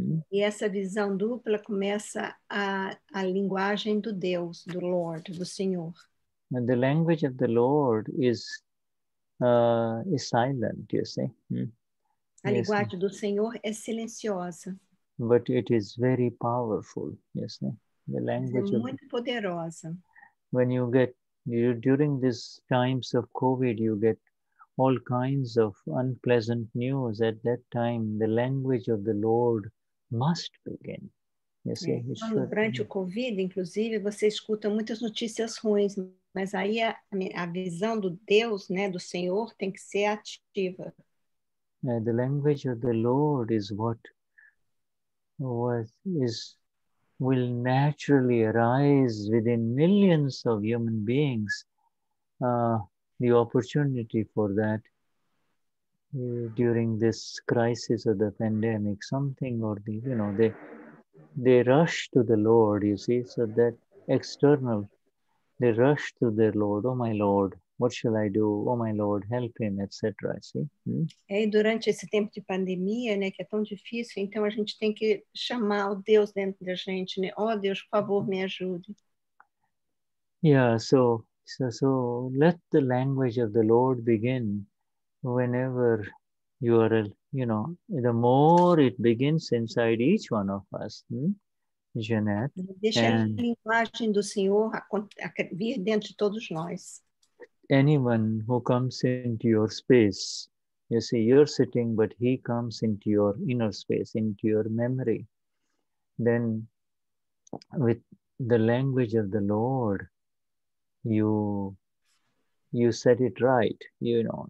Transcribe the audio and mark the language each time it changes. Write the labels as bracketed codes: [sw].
[pt] E essa visão dupla começa a linguagem do Deus, do Lord, do Senhor. [en] And the language of the Lord is silent, you see. [pt] A linguagem do Senhor é silenciosa. [en] But it is very powerful, you see. The language [pt] é muito poderosa. [en] When you get, during these times of COVID, you get all kinds of unpleasant news. At that time, the language of the Lord must begin. You see, [pt] durante o COVID, inclusive, você escuta muitas notícias ruins, mas aí a visão do Deus, né, do Senhor, tem que ser ativa. [en] The language of the Lord is what will naturally arise within millions of human beings. The opportunity for that during this crisis of the pandemic, something or the, you know, they rush to the Lord, you see, so that external, they rush to their Lord, oh my Lord, what shall I do? Oh my Lord, help him, etc. See? [pt] É durante esse tempo de pandemia, né, que é tão difícil, então a gente tem que chamar o Deus dentro da gente, né? Oh Deus, por favor, me ajude. [en] Yeah, So let the language of the Lord begin whenever you are, you know, the more it begins inside each one of us, Jeanette. [pt] Deixa a linguagem do Senhor vir dentro de todos nós. [en] Anyone who comes into your space, you see, you're sitting, but he comes into your inner space, into your memory, then with the language of the Lord, you set it right, you know.